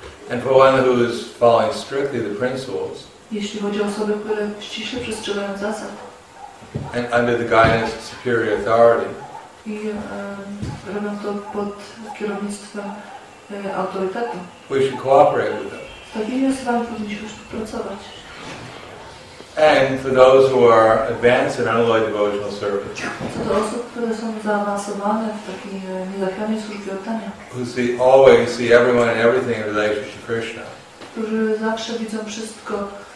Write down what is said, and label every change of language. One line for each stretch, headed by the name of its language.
English: And for one who is following strictly the principles,
Polish: jeśli chodzi o osoby, które ściśle przestrzegają zasad.
English: And under the guidance of superior authority.
Polish: I robią to pod kierownictwem autorytetu.
English: We should cooperate with them.
Polish: Z takimi osobami powinniśmy współpracować.
English: And for those who are advanced in unalloyed devotional service.
Polish: Co do osób, które są zaawansowane w takiej niezachwianej służbie oddania.
English: Who see always see everyone and everything in relation to Krishna.
Polish: Którzy zawsze widzą wszystko.